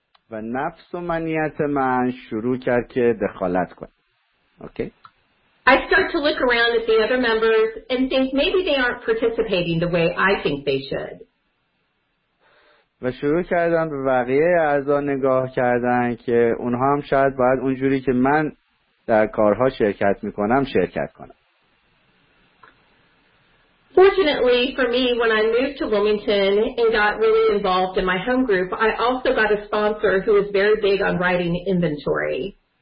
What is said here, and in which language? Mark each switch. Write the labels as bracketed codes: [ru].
[fa] و نفس و منیت من شروع کرد که دخالت کنه. [en] Okay. I start to look around at the other members and think maybe they aren't participating the way I think they should. [fa] و شروع کردم به بقیه اعضا نگاه کردن که اونها هم شاید باید اونجوری که من در کارها شرکت میکنم شرکت کنم. [en] Fortunately for me, when I moved to Wilmington and got really involved in my home group, I also got a sponsor who was very big on writing inventory.